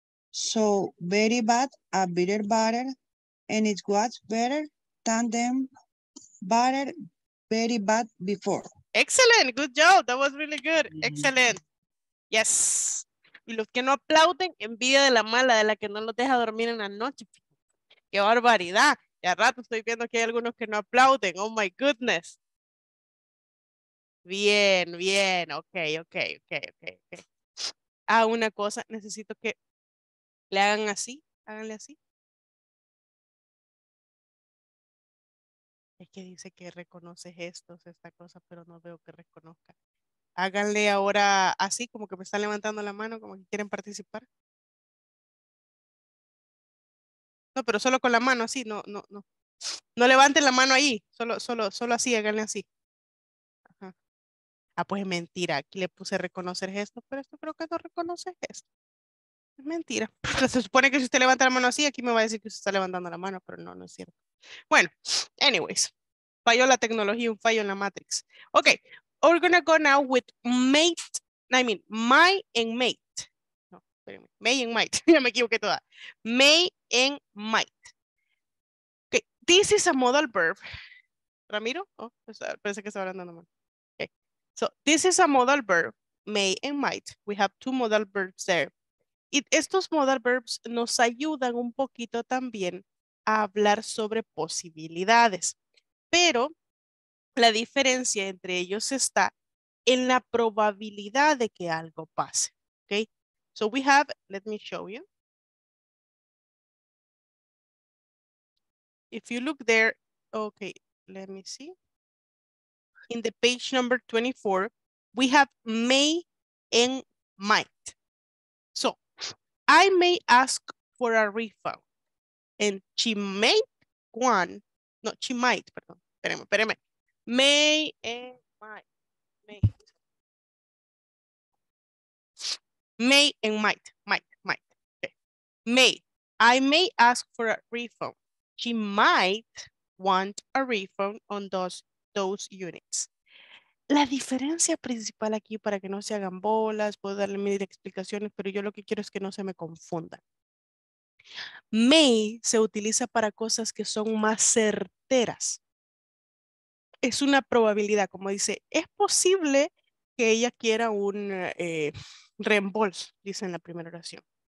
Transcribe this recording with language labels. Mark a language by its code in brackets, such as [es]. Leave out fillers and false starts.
[en] So, very bad, a bitter butter, and it was better than the butter, very bad before. Excellent, good job, that was really good, excellent. Yes. [es] Y los que no aplauden, envidia de la mala, de la que no los deja dormir en la noche. Qué barbaridad. Y al rato estoy viendo que hay algunos que no aplauden, [en] oh my goodness. [es] Bien, bien, ok. Ah, una cosa, necesito que le hagan así, háganle así. Es que dice que reconoce gestos, esta cosa, pero no veo que reconozca. Háganle ahora así, como que me están levantando la mano, como que quieren participar. No, pero solo con la mano así, no. No levanten la mano ahí, solo así, háganle así. Ah, pues mentira, aquí le puse reconocer gestos, pero esto creo que no reconoce gestos. Es mentira. Pero se supone que si usted levanta la mano así, aquí me va a decir que usted está levantando la mano, pero no es cierto. Bueno, anyways, falló la tecnología, un fallo en la Matrix. [en] Ok, we're gonna go now with May and might. Ok, this is a modal verb. Ramiro, [es] pensé que estaba levantando la mano. [en] So this is a modal verb, may and might. We have two modal verbs there. [es] Y estos modal verbs nos ayudan un poquito también a hablar sobre posibilidades. Pero la diferencia entre ellos está en la probabilidad de que algo pase. [en] Okay? So we have, let me show you. If you look there, okay, let me see. In the page number 24, we have may and might. So, I may ask for a refund. And I may ask for a refund. She might want a refund on those units. [es] La diferencia principal aquí, para que no se hagan bolas, puedo darle mil explicaciones, pero yo lo que quiero es que no se me confunda. May se utiliza para cosas que son más certeras. Es una probabilidad, como dice, es posible que ella quiera un reembolso, dice en la primera oración.